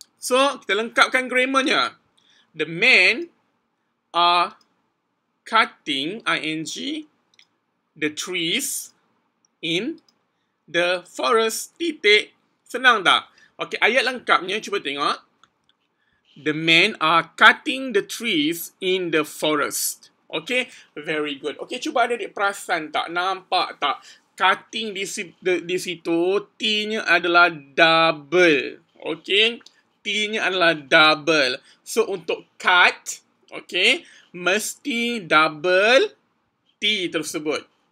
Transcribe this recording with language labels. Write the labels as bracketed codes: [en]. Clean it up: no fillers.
[ms] So, kita lengkapkan grammarnya. [en] The men are cutting, ing, the trees in the forest. [ms] Titik. Senang tak? Okay, ayat lengkapnya, cuba tengok. [en] The men are cutting the trees in the forest. Okay, very good. [ms] Okay, cuba adik-adik perasan tak? Nampak tak? Cutting di situ, T-nya adalah double. Okay. T-nya adalah double. So, untuk cut, okay, mesti double T tersebut.